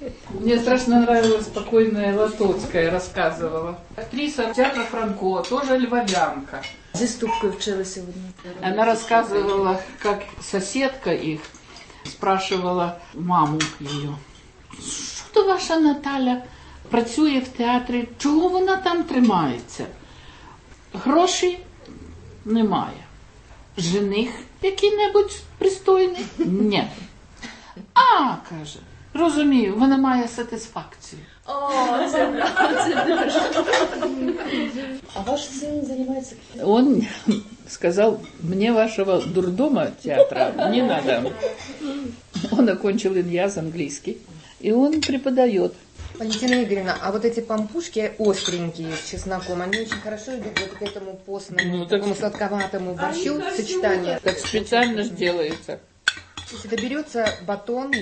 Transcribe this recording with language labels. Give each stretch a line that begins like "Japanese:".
Russian: Мне страшно нравилась покойная Лотоцкая, рассказывала. Актриса театра Франко, тоже львовянка. Здесь ступкой вчера сегодня. Она рассказывала, как соседка их спрашивала маму ее: «Что ваша Наталя
Ukrainian: працює
Russian: в театре?
Ukrainian: Чого вона там тримається? Гроші немає. Жених який-небудь пристойний? Ні. А, каже, розумію, вона має сатисфакцію». О, це дуже. А ваш син займається? Він сказав: «Мені вашого дурдома театра не треба».
Russian: Он окончил ИНЯЗ английский. И он преподает. Валентина Игоревна, а вот эти пампушки остренькие с чесноком, они очень хорошо идут вот к этому постному, ну, такому так... сладковатому борщу, а сочетание. Так специально же делается. То есть это берется батон?